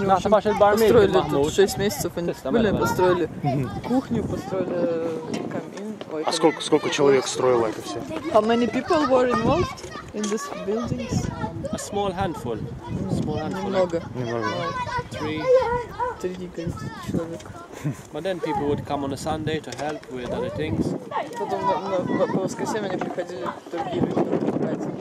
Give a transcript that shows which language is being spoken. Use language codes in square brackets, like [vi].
[ru] Построили тут 6 месяцев, они были, построили кухню, построили камин. А сколько человек строило это все? [en] How many people were involved in these buildings? A small handful. [ru] Немного. Немного. [en] Three. [ru] человек. [en] But then people would come on a Sunday to help with other things. [ru] Потом по воскресеньям они приходили другие люди помогать.